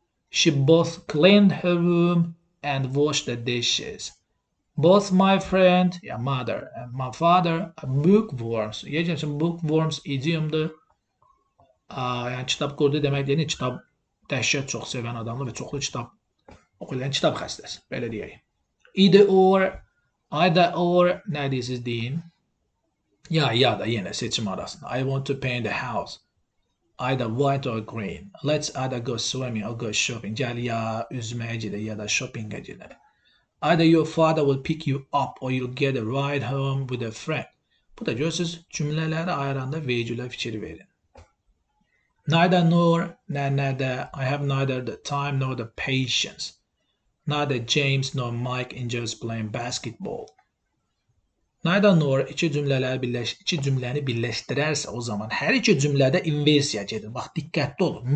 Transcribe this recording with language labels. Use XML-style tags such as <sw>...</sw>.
<en>She both cleaned her room and washed the dishes. Both my friend, yeah, mother and my father are bookworms.</en> <az>Yəni ki bookworms idiomdur. Yəni kitab qurdu deməkdir. Kitab dəhşət çox sevən adamdır və çoxlu kitab oxuyur. Yəni kitab xəstəsi. Belə deyək. Either or, either or nə deyirsiz deyin. Ya, ya da yenə seçim arasında.</az> <en>I want to paint the house. Either white or green. Let's either go swimming or go shopping.</en> <az>Gəl ya üzməyə gedək ya da shopping gedək.</az> <en>Either your father will pick you up or you'll get a ride home with a friend.</en> <az>Bu da görürsünüz cümlələri ayıranda vergülə fikir verin. Neither nor, nə,</az> <en>I have neither the time nor the patience. Neither James nor Mike enjoys playing basketball.</en> <az>Neither nor iki cümləni birləşdirərsə o zaman hər iki cümlədə inversiya gedir. Bax diqqətli olun.</az>